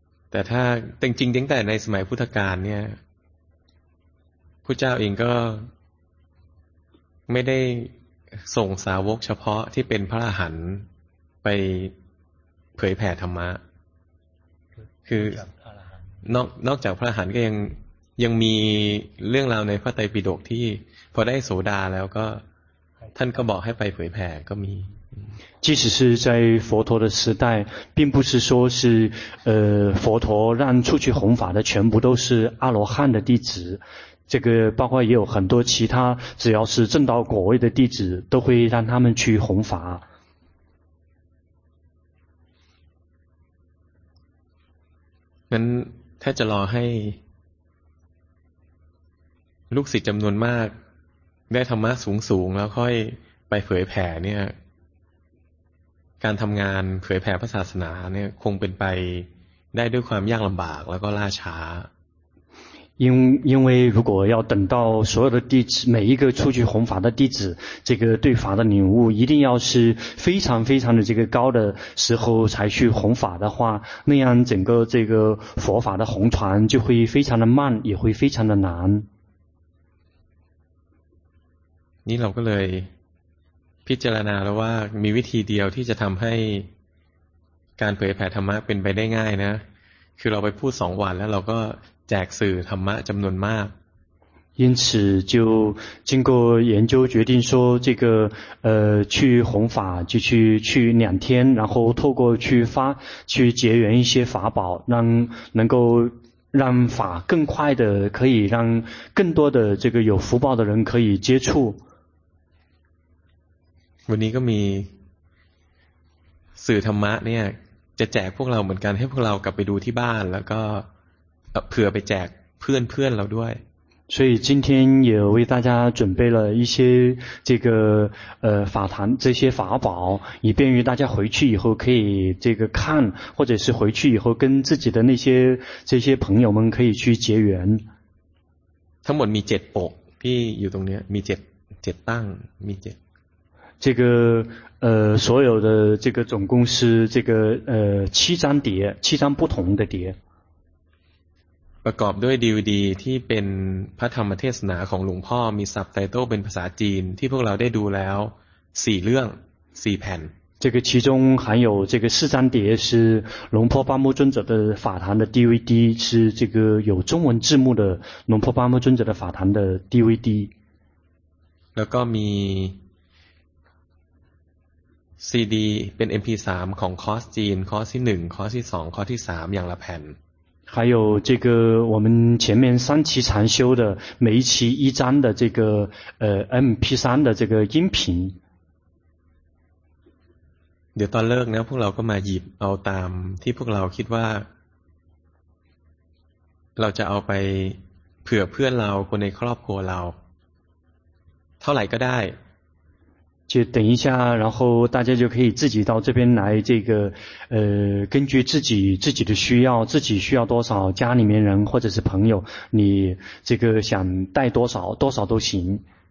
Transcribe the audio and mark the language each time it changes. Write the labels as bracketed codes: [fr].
[th] แต่ถ้าจริงๆตั้งแต่ในสมัยพุทธกาลเนี่ยพุทธเจ้าเองก็ไม่ได้ส่งสาวกเฉพาะที่เป็นพระอรหันต์ไปเผยแผ่ธรรมะคือนอกจากพระอรหันต์ก็ยังมีเรื่องราวในพระไตรปิฎกที่พอได้โสดาแล้วก็ท่านก็บอกให้ไปเผยแผ่ก็มี [zh] 即使是在佛陀的时代并不是说是佛陀让出去弘法的全部都是阿罗汉的弟子这个包括也有很多其他只要是证到果位的弟子都会让他们去弘法 [th] งั้นถ้าจะรอให้ลูกศิษย์จำนวนมากได้ธรรมะสูงสูงแล้วค่อยไปเผยแผ่เนี่ยการทำงานเผยแผ่พระศาสนาเนี่ยคงเป็นไปได้ด้วยความยากลำบากแล้วก็ล่าช้า [zh] 因为如果要等到所有的弟子每一个出去弘法的弟子这个对法的领悟一定要是非常非常的这个高的时候才去弘法的话那样整个这个佛法的弘传就会非常的慢也会非常的难 [th] นี่เราก็เลยพิจารณาแล้วว่ามีวิธีเดียวที่จะทำให้การเผยแผ่ธรรมะเป็นไปได้ง่ายนะคือเราไปพูด2วันแล้วเราก็แจกสื่อธรรมะจำนวนมาก [zh] 因此就经过研究决定说这个去弘法就去两天然后透过去发去结缘一些法宝让能够让法更快的可以让更多的这个有福报的人可以接触 [th] วันนี้ก็มีสื่อธรรมะเนี่ยจะแจกพวกเราเหมือนกันให้พวกเรากลับไปดูที่บ้านแล้วก็เผื่อไปแจกเพื่อนเพื่อนเราด้วย [zh] 所以今天也为大家准备了一些这个法坛这些法宝以便于大家回去以后可以这个看或者是回去以后跟自己的那些这些朋友们可以去结缘 [th] ทั้งหมดมี7ปกที่อยู่ตรงนี้มี7ตั้งมี7 [zh] 这个所有的这个总共是这个7张碟7张不同的碟 [th] ประกอบด้วย DVD ที่เป็นพระธรรมเทศนาของหลวงพ่อมีซับไตเติลเป็นภาษาจีนที่พวกเราได้ดูแล้ว4เรื่อง4แผ่น [zh] 这个其中含有这个四张碟是龙婆巴木尊者的法坛的 DVD 是这个有中文字幕的龙婆巴木尊者的法坛的 DVD [th] แล้วก็มี CD เป็น MP3 ของคอร์สจีนคอร์สที่1คอร์สที่2คอร์สที่3อย่างละแผ่น [zh] 还有这个我们前面三期禅修的每一期一张的这个MP3 的这个音频 [th] เดี๋ยวตอนเลิกนะพวกเราก็มาหยิบเอาตามที่พวกเราคิดว่าเราจะเอาไปเผื่อเพื่อนเราคนในครอบครัวเราเท่าไหร่ก็ได้ [zh] 就等一下然后大家就可以自己到这边来这个根据自己的需要自己需要多少家里面人或者是朋友你这个想带多少都行